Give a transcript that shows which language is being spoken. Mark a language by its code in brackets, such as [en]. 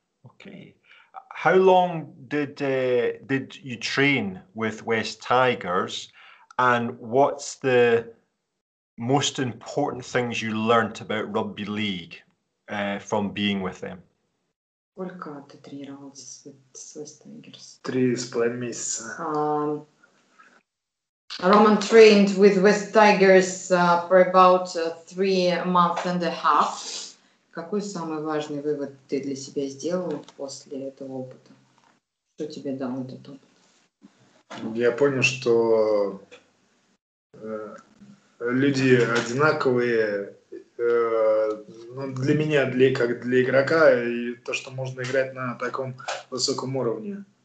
[en] Okay. How long did you train with West Tigers? And what's the most important things you learnt about rugby league from being with them? [ru] Сколько ты тренировался с Вестенгерс? 3,5 месяца. [en] Роман trained with West Tigers for about 3 months and a half. [ru] Какой самый важный вывод ты для себя сделал после этого опыта? Что тебе дал этот опыт? Я понял, что люди одинаковые. Ну, для меня, как для игрока, и то, что можно играть на таком высоком уровне.